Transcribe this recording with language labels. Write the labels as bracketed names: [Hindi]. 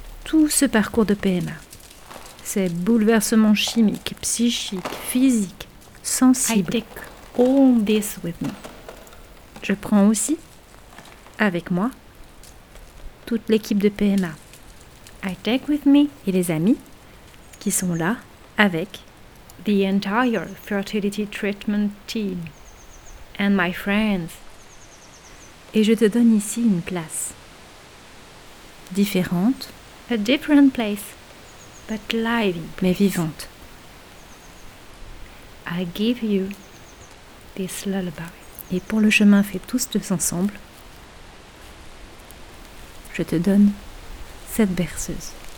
[French] Tout ce parcours de PMA. Ces bouleversements chimiques, psychiques, physiques, sensibles. [English] I take all this with me. [French] Je prends aussi, avec moi, toute l'équipe de PMA. [English] I take with me. [French] Et les amis qui sont là avec. [English] The entire fertility treatment team. And my friends. [French] Et je te donne ici une place. Différente. [English] A different place. But lively, [French] mais vivante. [English] I give you this lullaby. [French] Et pour le chemin fait tous deux ensemble, je te donne cette berceuse.